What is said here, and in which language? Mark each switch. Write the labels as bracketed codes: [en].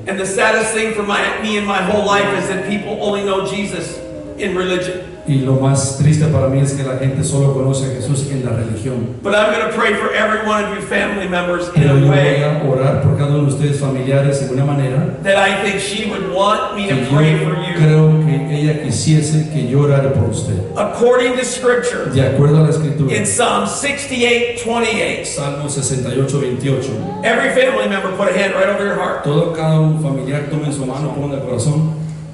[en] And the saddest thing for me in my whole life is that people only know Jesus in religion. [es] Y lo más triste para mí es que la gente solo conoce a Jesús en la religión. [en] But I'm going to pray for every one of you family members in a way. [es] Pero voy a orar por cada uno de ustedes familiares en una manera. [en] That I think she would want me to pray for you. [es] Creo que ella quisiese que yo orara por usted. [en] According to Scripture. [es] De acuerdo a la Escritura. [en] In Psalm 68:28. [es] Salmo 68:28. [en] Every family member, put a hand right over your heart. [es] Todo cada un familiar tome su mano, ponga el corazón.